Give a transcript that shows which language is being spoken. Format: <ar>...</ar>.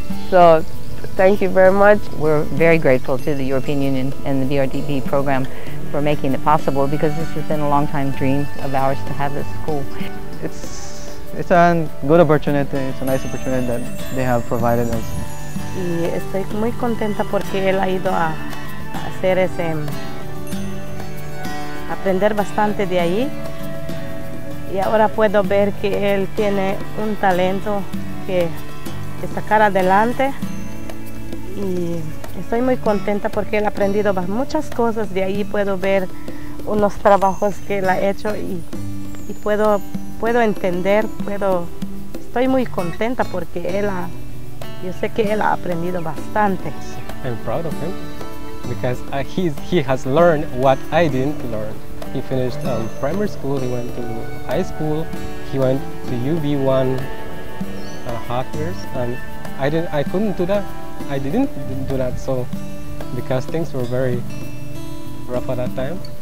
<en>So thank you very much. We're very grateful to the European Union and the BRDP program for making it possible, because this has been a long time dream of ours to have this school. It's a good opportunity. It's a nice opportunity that they have provided us.</en> <es>Y estoy muy contenta porque él ha ido a hacer ese aprender bastante de ahí, y ahora puedo ver que él tiene un talento que sacar adelante, y estoy muy contenta porque él ha aprendido muchas cosas de ahí. Puedo ver unos trabajos que él ha hecho y puedo entender, estoy muy contenta porque yo sé que él ha aprendido bastante.</es> <en>I'm proud of him because he has learned what I didn't learn. He finished primary school, he went to high school, he went to UB1 hackers, and I didn't do that, so because things were very rough at that time.</en>